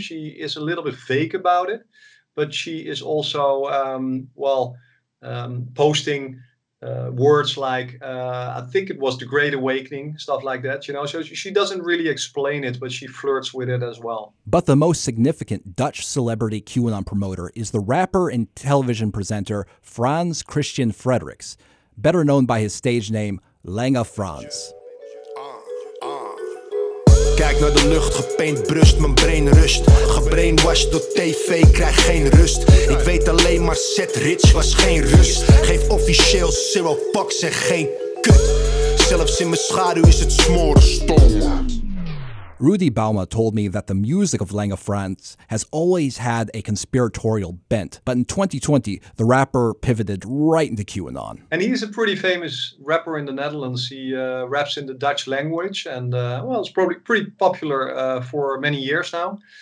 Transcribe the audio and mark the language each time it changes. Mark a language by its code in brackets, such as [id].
[en] She is a little bit vague about it, but she is also, posting words like, I think it was the Great Awakening, stuff like that, you know. So she doesn't really explain it, but she flirts with it as well. But the most significant Dutch celebrity QAnon promoter is the rapper and television presenter Frans Christian Frederiks, better known by his stage name Lange Frans. [nl] Kijk naar de lucht, gepaint brust, mijn brain rust. Gebrainwashed door tv, krijg geen rust. Ik weet alleen maar Seth Rich was geen rust. Geef officieel [en] zero fucks [nl] en geen kut. Zelfs in mijn schaduw is het smoren stom. [en] Rudy Bauma told me that the music of Lange Frans has always had a conspiratorial bent. But in 2020, the rapper pivoted right into QAnon. And he's a pretty famous rapper in the Netherlands. He raps in the Dutch language and, it's probably pretty popular for many years now.